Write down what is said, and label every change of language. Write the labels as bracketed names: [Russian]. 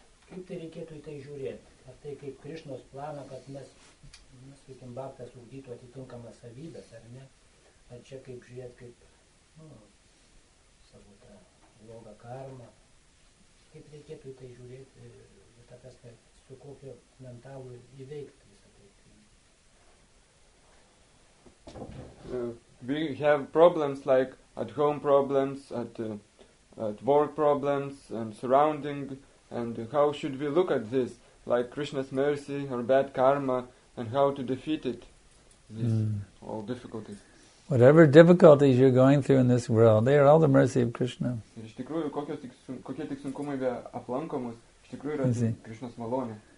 [Lithuanian] Kaip tai reikėtų į tai žiūrėti? Ar tai kaip Krišnos plano, kad mes sakykim, baktas ugdytų atitinkamas savybės, ar ne? Ar čia kaip žiūrėti, kaip savo tą blogą karmą? Kaip reikėtų į tai žiūrėti? Ir ta kas, kad su kokiu mentalu įveikti visą tai. [English] We have problems like at home problems, at work problems, and surrounding, and how should we look at this, like Krishna's mercy or bad karma, and how to defeat it, all difficulties. Whatever difficulties you're going through in this world, they are all the mercy of Krishna. [Lithuanian] Iš tikrųjų, kokie tik sunkumai be aplankomus, iš tikrųjų yra Krishna's malonė.